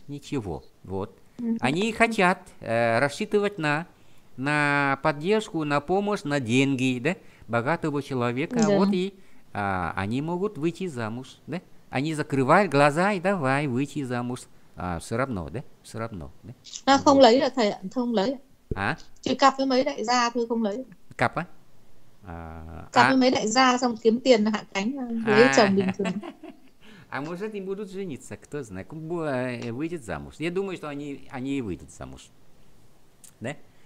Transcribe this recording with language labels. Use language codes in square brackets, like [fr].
[ru] Ничего, вот. Они хотят рассчитывать на поддержку, на помощь, на деньги, да, богатого человека. Вот Да. и они могут выйти замуж, да? Они закрывают глаза и давай выйти замуж. Все равно, да? Все равно, да? [vi] Nó không [ru] Вот. [vi] lấy là thầy không lấy. [ru] А? [vi] Chỉ cặp với mấy đại gia thôi không lấy. Cặp á? Cặp với mấy đại gia xong kiếm tiền hạ cánh lấy chồng bình thường. [ru] А может и будут жениться, кто знает, выйдет замуж. Я думаю, что они и выйдут замуж. Да?